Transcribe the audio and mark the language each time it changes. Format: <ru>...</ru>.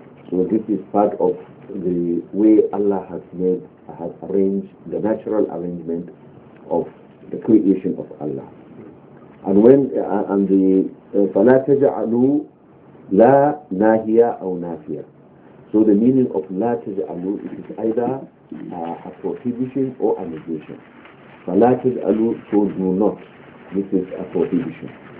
<en>So this is part of the way Allah has arranged the natural arrangement of the creation of Allah. And when</en> <ar>فَلَا تَجْعَلُوا لَا نَاهِيَا أَوْ نَافِيَا.</ar> <en>So the meaning of</en> <ar>لَا تَجْعَلُوا,</ar> <en>it is either a prohibition or a negation.</en> <ar>فَلَا تَجْعَلُوا,</ar> <en>so do not, this is a prohibition.</en>